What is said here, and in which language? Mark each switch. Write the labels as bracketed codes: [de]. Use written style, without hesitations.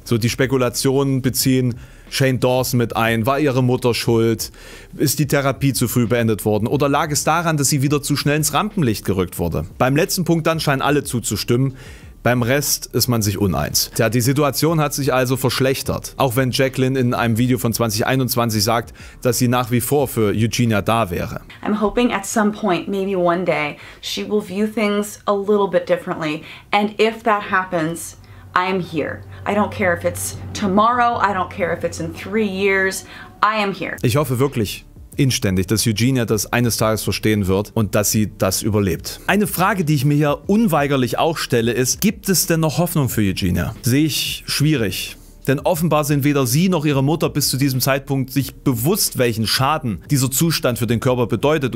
[de] So, die Spekulationen beziehen Shane Dawson mit ein, war ihre Mutter schuld, ist die Therapie zu früh beendet worden oder lag es daran, dass sie wieder zu schnell ins Rampenlicht gerückt wurde? Beim letzten Punkt dann scheinen alle zuzustimmen, beim Rest ist man sich uneins. Tja, die Situation hat sich also verschlechtert, auch wenn Jacqueline in einem Video von 2021 sagt, dass sie nach wie vor für Eugenia da wäre. [en] I'm hoping at some point, maybe one day, she will view things a little bit differently and if that happens, I am here. I don't care if it's tomorrow, I don't care if it's in 3 years, I am here. [de] Ich hoffe wirklich inständig, dass Eugenia das eines Tages verstehen wird und dass sie das überlebt. Eine Frage, die ich mir hier unweigerlich auch stelle, ist, gibt es denn noch Hoffnung für Eugenia? Sehe ich schwierig. Denn offenbar sind weder sie noch ihre Mutter bis zu diesem Zeitpunkt sich bewusst, welchen Schaden dieser Zustand für den Körper bedeutet.